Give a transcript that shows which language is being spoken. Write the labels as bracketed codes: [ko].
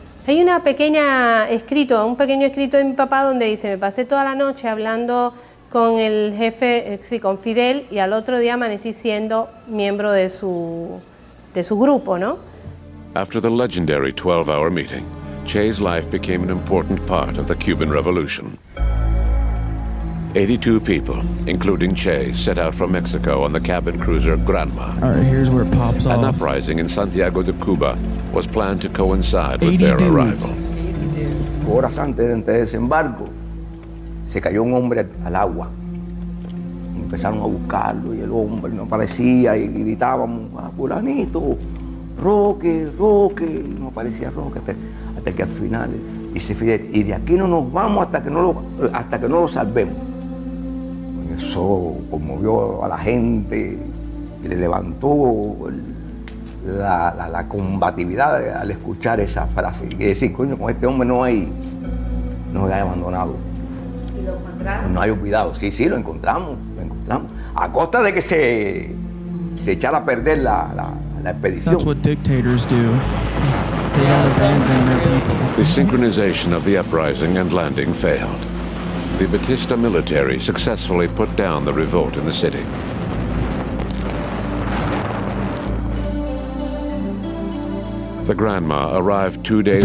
[es] Hay una pequeña escrito, un pequeño escrito de mi papá donde dice, me pasé toda la noche hablando con el jefe, sí, con Fidel, y al otro día amanecí siendo miembro de su grupo, ¿no? [en] After the legendary 12-hour meeting, Che's life became an important part of the Cuban Revolution. 82 people, including Che, set out from Mexico on the cabin cruiser Granma. All right, here's where it pops off. An uprising in Santiago de Cuba was planned to coincide with their arrival. 80 dudes. [es] Horas antes de desembarco, se cayó un hombre al agua. Empezaron a buscarlo y el hombre no aparecía y gritábamos, ah, fulanito, Roque, Roque, y no aparecía Roque hasta que al final dice Fidel, y de aquí no nos vamos hasta que no lo salvemos. Y eso conmovió a la gente y le levantó la combatividad al escuchar esa frase. Y decir, coño, con este hombre no hay abandonado. No hay olvidado, sí, lo encontramos. A costa de que se echara a perder la expedición. [en] That's what dictators do. They don't abandon their people. The synchronization of the uprising and landing failed. The Batista military successfully put down the revolt in the city. The grandma arrived 2 days